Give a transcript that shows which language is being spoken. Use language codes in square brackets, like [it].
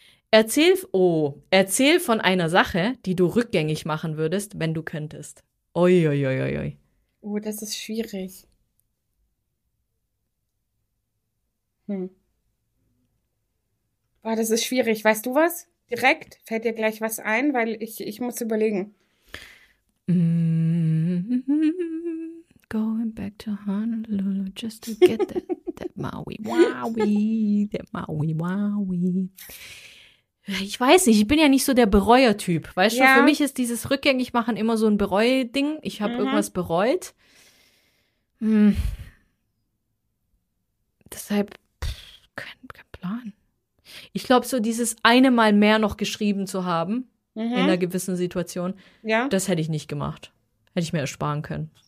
[de] Erzähl von einer Sache, die du rückgängig machen würdest, wenn du könntest. Oi, oi, oi, oi. Oh, das ist schwierig. Boah, das ist schwierig. Weißt du was? Direkt fällt dir gleich was ein, weil ich muss überlegen. [en] Going back to Honolulu just to get that Maui Waui, that Maui Waui. [de] Ich weiß nicht, ich bin ja nicht so der Bereuer-Typ. Weißt du, für mich ist dieses Rückgängigmachen immer so ein Bereu-Ding. Ich habe irgendwas bereut. Deshalb kein Plan. Ich glaube, so dieses eine Mal mehr noch geschrieben zu haben in einer gewissen Situation, das hätte ich nicht gemacht. Hätte ich mir ersparen können.